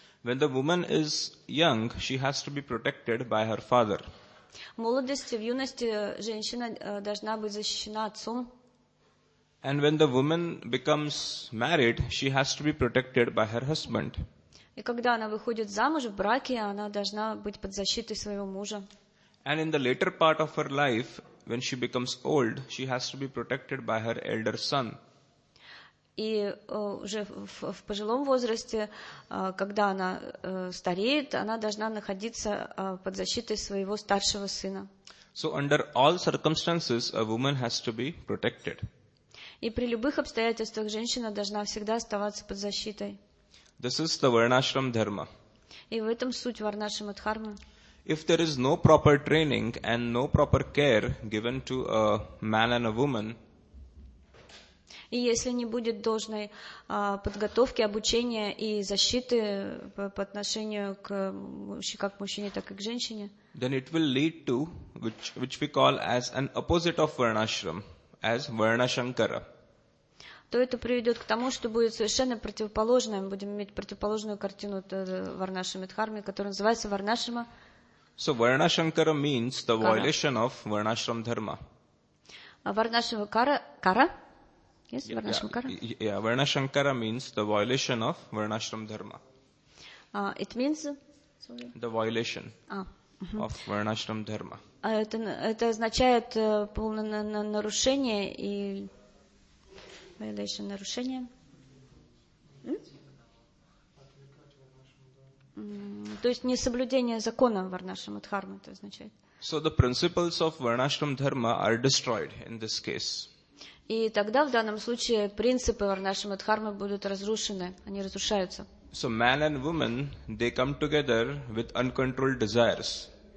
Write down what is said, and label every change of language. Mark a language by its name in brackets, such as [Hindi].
[English] When the woman is young, she has to be protected by her father. [Russian] В молодости, в юности женщина должна быть защищена отцом. [English] And when the woman becomes married, she has to be protected by her husband. [Russian] И когда она выходит замуж в браке, она должна быть под защитой своего мужа. [English] And in the later part of her life, when she becomes old, she has to be protected by her elder son. [Russian] И уже в пожилом возрасте, когда она стареет, она должна находиться под защитой своего старшего сына. [English] So under all circumstances, a woman has to be protected. [Russian] И при любых обстоятельствах женщина должна всегда оставаться под защитой. [English] This is the Varnashram Dharma. [Russian] И в этом суть Варнашрама Дхармы. [English] If there is no proper training and no proper care given to a man and a woman, [Russian] и если не будет должной подготовки, обучения и защиты по отношению к как мужчине, так и к женщине, [English] then it will lead to which we call as an opposite of Varnashram, as Varnashankara. [Russian] То это приведет к тому, что будет совершенно противоположное. Мы будем иметь противоположную картину Варнашрама Дхармы, которая называется Варнашрама. [English] So Varnashankara means the violation of Varnashram Dharma. Varnashankara? Yes, Varnashankara. Yeah, Varnashankara means the violation of Varnashram Dharma. It means? Sorry. The violation of Varnashram Dharma. [Russian] Это означает полное нарушение и... Violation, нарушение. То есть несоблюдение закона Варнашрама Дхармы, это означает. [English] So the principles of Varnashram Dharma are destroyed in this case. [Russian] И тогда в данном случае принципы Варнашрама Дхармы будут разрушены, они разрушаются. [English] So man and woman, they come together with uncontrolled desires.